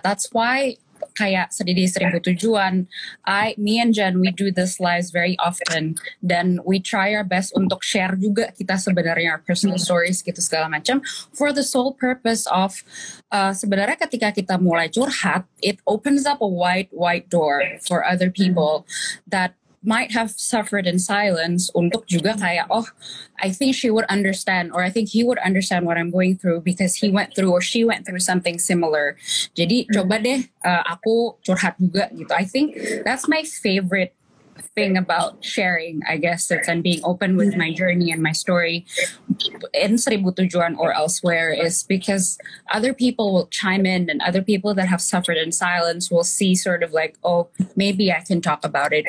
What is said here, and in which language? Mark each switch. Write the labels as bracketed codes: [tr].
[en] That's why kayak sedih seribu tujuan, me and Jen, we do this lives very often, [id] dan [en] we try our best [id] untuk share juga kita sebenarnya [en] our personal stories [id] gitu segala macam, [en] for the sole purpose of [id] sebenarnya ketika kita mulai curhat, [en] it opens up a wide door for other people that might have suffered in silence [id] untuk juga kayak, [en] oh, I think she would understand, or I think he would understand what I'm going through because he went through or she went through something similar. [id] Jadi coba deh aku curhat juga gitu. [en] I think that's my favorite thing about sharing, I guess, it's and being open with my journey and my story in Seribu Tujuan or elsewhere, is because other people will chime in and other people that have suffered in silence will see sort of like, oh, maybe I can talk about it.